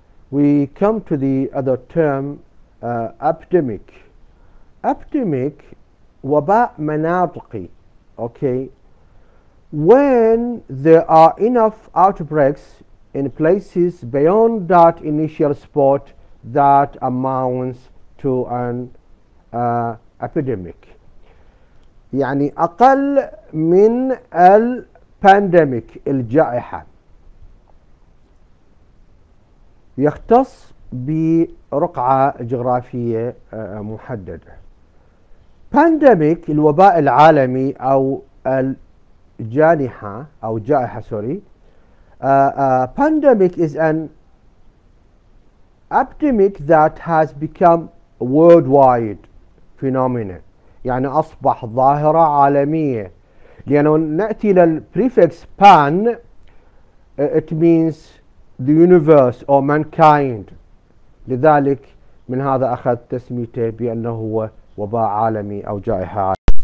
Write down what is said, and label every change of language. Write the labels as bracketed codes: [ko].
[en] We come to the other term epidemic. [ar] Epidemic وباء مناطقي. [en] Okay. When there are enough outbreaks in places beyond that initial spot that amounts to an epidemic. [ar] يعني أقل من الباندميك الجائحة. يختص برقعة جغرافية محددة. Pandemic الوباء العالمي أو الجانحة أو جائحة سوري. [en] Pandemic is an epidemic that has become worldwide phenomenon. [ar] يعني أصبح ظاهرة عالمية. لأنه نأتي [en] للprefix pan, it means the universe or mankind. [ar] لذلك من هذا أخذ تسميته بأنه هو وباء عالمي أو جائحة عالمية.